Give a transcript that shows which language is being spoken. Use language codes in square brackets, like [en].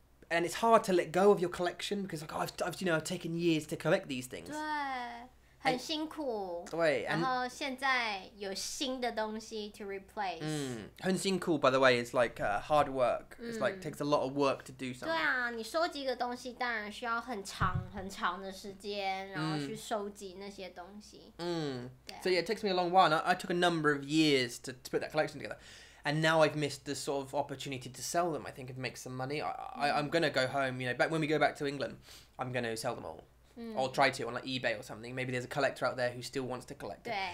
[en] And it's hard to let go of your collection because, like, I've taken years to collect these things. [zh] 很辛苦。对，然后现在有新的东西 [en] to replace。 [zh] 嗯，很辛苦。 [en] By the way, it's like hard work. It's like takes a lot of work to do something. [zh] 对啊，你收集一个东西，当然需要很长很长的时间，然后去收集那些东西。嗯，对。 [en] So yeah, it takes me a long while. And I took a number of years to put that collection together. And now I've missed the sort of opportunity to sell them, I think, and make some money. I'm going to go home, you know, back when we go back to England, I'm going to sell them all. Or try to, on like eBay or something. Maybe there's a collector out there who still wants to collect it.